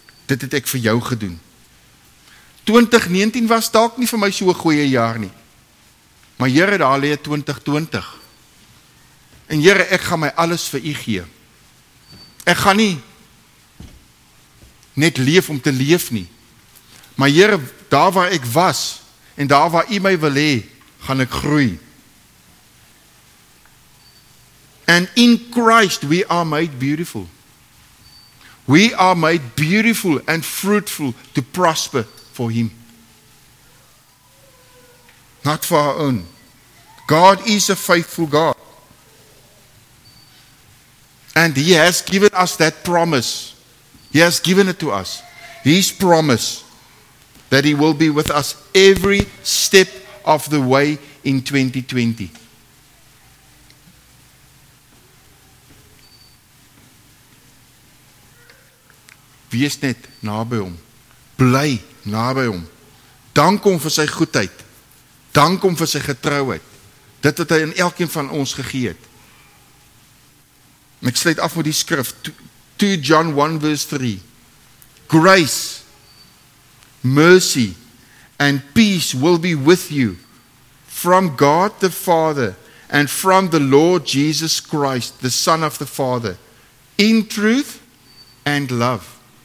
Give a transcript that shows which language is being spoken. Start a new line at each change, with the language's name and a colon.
Afrikaans: Dit het ek vir jou gedoen. 2019 was dalk nie vir my so 'n goeie jaar nie. Maar Here, daar lê 2020. En Here, ek gaan my alles vir u gee. Ek gaan nie net leef om te leef nie. Maar Here, daar waar ek was en daar waar u my wil hê, gaan ek groei.
English: And in Christ we are made beautiful. We are made beautiful and fruitful to prosper for him. Not for our own. God is a faithful God. And he has given us that promise. He has given it to us. His promise that he will be with us every step of the way in 2020.
Afrikaans: Wees net naby hom. Bly naby hom. Dank hom vir sy goedheid. Dank hom vir sy getrouheid. Dit wat hy in elkeen van ons gegee het. Ek sluit af met die skrif
English: 2 John 1 verse 3. Grace, mercy and peace will be with you from God the Father and from the Lord Jesus Christ, the Son of the Father, in truth and love.